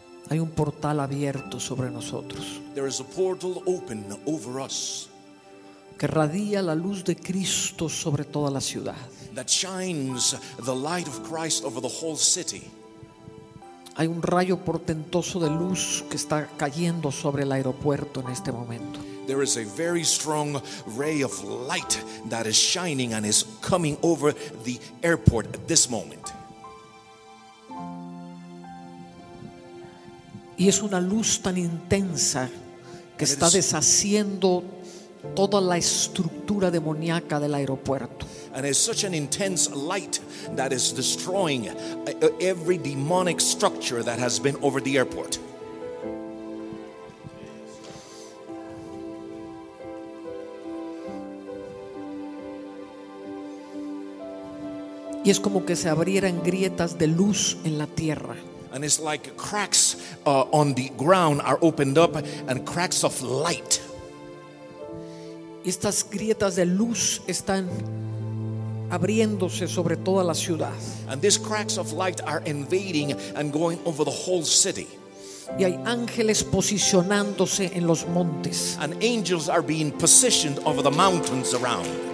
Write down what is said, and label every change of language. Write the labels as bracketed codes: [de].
[es] Hay un portal abierto sobre nosotros. [en] There is a portal open over us. [es] Que radia la luz de Cristo sobre toda la ciudad. [en] That shines the light of Christ over the whole city. [es] Hay un rayo portentoso de luz que está cayendo sobre el aeropuerto en este momento. [en] There is a very strong ray of light that is shining and is coming over the airport at this moment. [es] Y es una luz tan intensa que está deshaciendo toda la estructura demoníaca del aeropuerto. [en] And it's such an intense light that is destroying every demonic structure that has been over the airport. [es] Y es como que se abrieran grietas de luz en la tierra. [en] And it's like cracks on the ground are opened up and cracks of light. [es] Y estas grietas de luz están abriéndose sobre toda la ciudad. [en] And these cracks of light are invading and going over the whole city. [es] Y hay ángeles posicionándose en los montes. [en] And angels are being positioned over the mountains around.